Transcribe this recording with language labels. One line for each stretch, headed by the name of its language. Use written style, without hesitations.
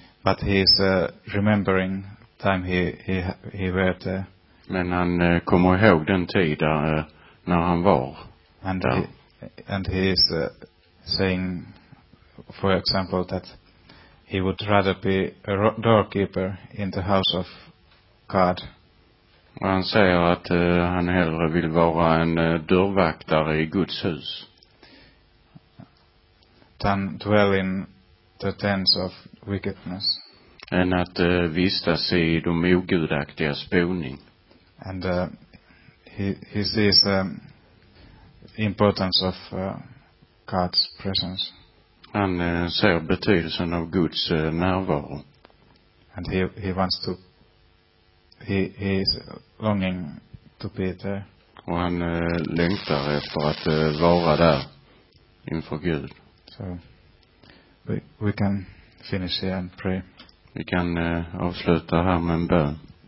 English: But he is remembering time he was there.
Swedish: Men han kommer ihåg den tid när han var.
English: And
Swedish: där.
English: He is saying, for example, that he would rather be a doorkeeper in the house of God.
Swedish: Och han säger att han hellre vill vara en dörrvaktare i Guds hus.
English: Than dwell in the tents of wickedness.
Swedish: Än att vistas i de ogudaktiga boning.
English: And he sees the importance of God's presence.
Swedish: Han ser betydelsen av Guds närvaro.
English: And he wants to, he is longing to be there.
Swedish: Och han längtar efter att vara där inför Gud.
English: So we can finish here and pray.
Swedish: Vi kan avsluta här med en bön.